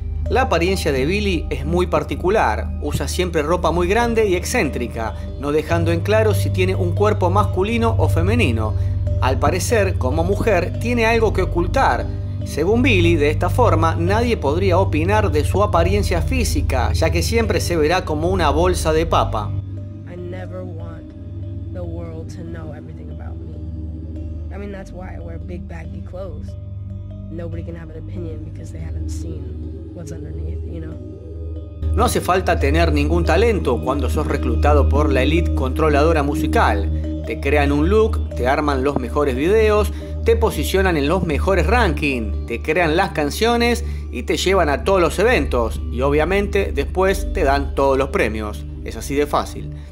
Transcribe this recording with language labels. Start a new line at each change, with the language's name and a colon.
Spanish: La apariencia de Billie es muy particular, usa siempre ropa muy grande y excéntrica, no dejando en claro si tiene un cuerpo masculino o femenino. Al parecer, como mujer, tiene algo que ocultar. Según Billie, de esta forma, nadie podría opinar de su apariencia física, ya que siempre se verá como una bolsa de papa.
English: I never want the world to know everything about me. I mean, that's why I wear big baggy clothes. Nobody can have an opinion because they haven't seen what's underneath, you know?
Spanish: No hace falta tener ningún talento cuando sos reclutado por la elite controladora musical. Te crean un look, te arman los mejores videos, te posicionan en los mejores rankings, te crean las canciones y te llevan a todos los eventos. Y obviamente después te dan todos los premios. Es así de fácil.